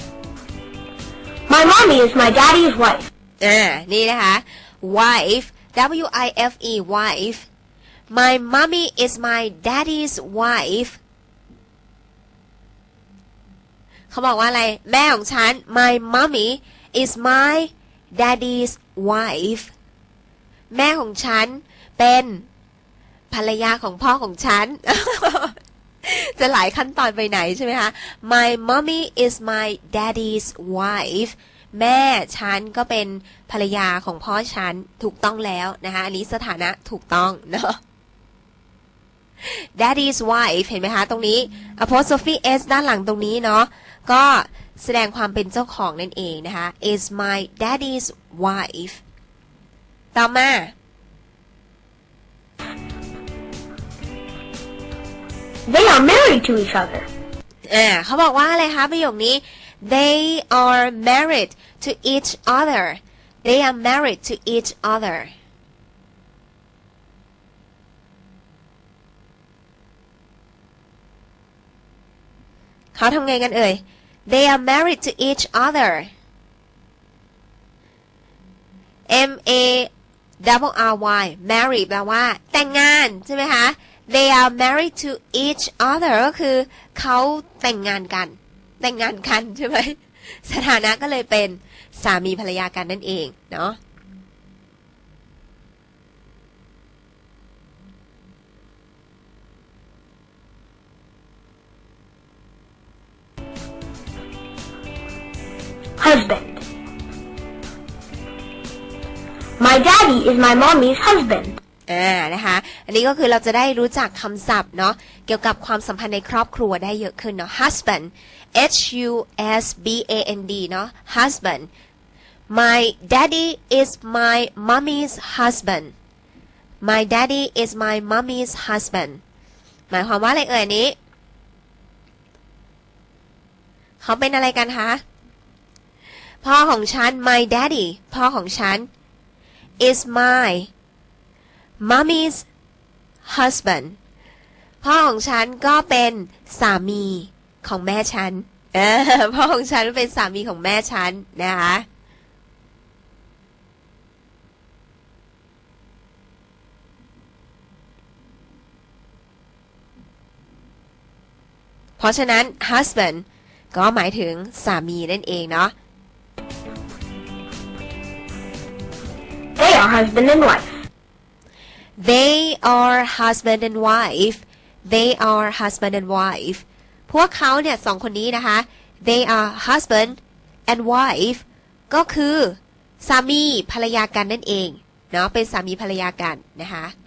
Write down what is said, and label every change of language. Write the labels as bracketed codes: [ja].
[en] wife my mommy is my daddy's wife [th] นี่นะคะ [en] wife w-i-f-e wifeMy mommy is my daddy's wife. [th] เขาบอกว่าอะไรแม่ของฉัน [en] My mommy is my daddy's wife. [th] แม่ของฉันเป็นภรรยาของพ่อของฉัน จะหลายขั้นตอนไปไหนใช่ไหมคะ [en] My mommy is my daddy's wife. [th] แม่ฉันก็เป็นภรรยาของพ่อฉันถูกต้องแล้วนะคะอันนี้สถานะถูกต้องเนาะ [en] Daddy's wife [th] เห็นไหมคะตรงนี้ apostrophe s ด้านหลังตรงนี้เนาะก็แสดงความเป็นเจ้าของนั่นเองนะคะ [en] is my daddy's wife [th] ต่อมา [en] they are married to each other [th] เขาบอกว่าอะไรคะประโยคนี้ [en] They are married to each other. They are married to each other. [th] เขาทำไงกันเอ่ย [en] They are married to each other. [th] M-A-R-R-Y Married แปลว่าแต่งงานใช่ไหมคะ [en] They are married to each other [th] ก็คือเขาแต่งงานกันแต่งงานกันใช่ไหมสถานะก็เลยเป็นสามีภรรยากันนั่นเองเนาะ [en] husband my daddy is my mommy's husband [th] นะคะอันนี้ก็คือเราจะได้รู้จักคำศัพท์เนาะเกี่ยวกับความสัมพันธ์ในครอบครัวได้เยอะขึ้นเนาะ husband h u s b a n d เนาะ [en] husband my daddy is my mommy's husband my daddy is my [th] mommy's husband หมายความว่าอะไรเอ่ยนี้เขาเป็นอะไรกันคะพ่อของฉัน my daddy พ่อของฉัน is my [en] Mommy's husband. [th] พ่อของฉันก็เป็นสามีของแม่ฉันพ่อของฉันเป็นสามีของแม่ฉันนะคะเพราะฉะนั้น husband ก็หมายถึงสามีนั่นเองเนาะ [en] They are husband and wife. They are husband and wife. They are husband and wife. [th] พวกเขาเนี่ยสองคนนี้นะคะ [en] They are husband and wife. [th] ก็คือสามีภรรยากันนั่นเองเนาะเป็นสามีภรรยากันนะคะ